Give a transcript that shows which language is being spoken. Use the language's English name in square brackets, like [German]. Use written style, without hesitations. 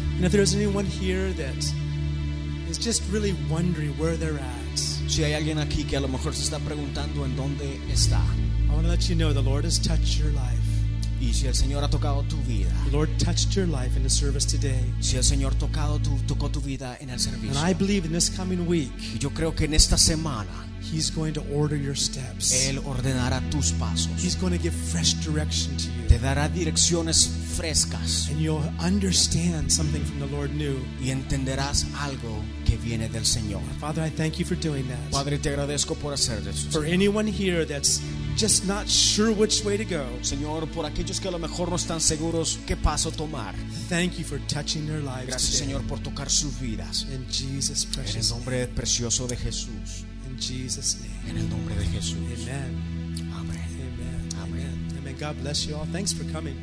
[English] And if there's anyone here that is just really wondering where they're at, [Spanish] si hay alguien aquí que a lo mejor se está preguntando en dónde está, [English] I want to let you know the Lord has touched your life. [Spanish] Y si el Señor ha tocado tu vida, [English] the Lord touched your life in the service today. [Spanish] Si el Señor tocó tu vida en el servicio, [English] and I believe in this coming week, [Spanish] y yo creo que en esta semana, [English] He's going to order your steps. [Spanish] Él ordenará tus pasos. [English] He's going to give fresh direction to you. [Spanish] Te dará direcciones frescas. [English] And you'll understand something from the Lord new. [Spanish] Y entenderás algo que viene del Señor. [English] Father, I thank you for doing that. [Spanish] Padre, te agradezco por hacer eso. [English] For anyone here that's just not sure which way to go, [Spanish] Señor, por aquellos que a lo mejor no están seguros qué paso tomar, [English] thank you for touching their lives. [Spanish] Gracias, [English] today. [Spanish] Señor, por tocar sus vidas. [English] In Jesus' precious name. [Spanish] En el nombre precioso de Jesús. [English] Jesus' name. [Spanish] En el nombre de Jesús. [English] Amen. [Spanish] Amen. [English] Amen. Amen. Amen. God bless you all. Thanks for coming.